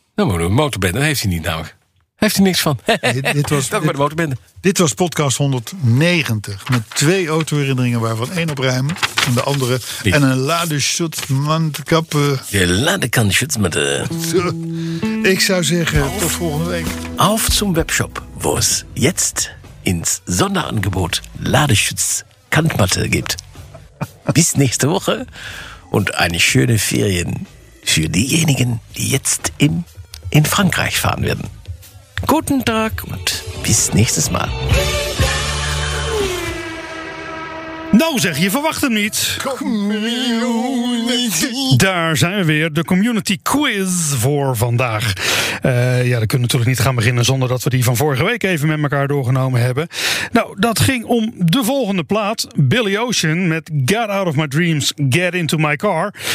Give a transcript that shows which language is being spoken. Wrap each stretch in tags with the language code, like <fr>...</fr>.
<nl>Dan moeten we een motorbende, dat heeft hij niet namelijk. Heeft hij niks van. Dank voor de motorbende. Dit was podcast 190. Met twee autoherinneringen waarvan één op rijm. En de andere. Lief. En een ladeschutmandkap. Je ladekantschut met de... Ik zou zeggen, tot volgende week.</nl> <de>Auf zum webshop. Wo es jetzt ins Sonderangebot ladeschutzkantmatte gibt. Bis nächste Woche. Und eine schöne Ferien. Für diejenigen, die jetzt in Frankreich fahren werden. Guten Tag und bis nächstes Mal.</de> <nl>Nou zeg, je verwacht hem niet. Community. Daar zijn we weer, de community quiz voor vandaag. Ja, dat kunnen we natuurlijk niet gaan beginnen zonder dat we die van vorige week even met elkaar doorgenomen hebben. Nou, dat ging om de volgende plaat, Billy Ocean met Get Out of My Dreams, Get Into My Car.</nl>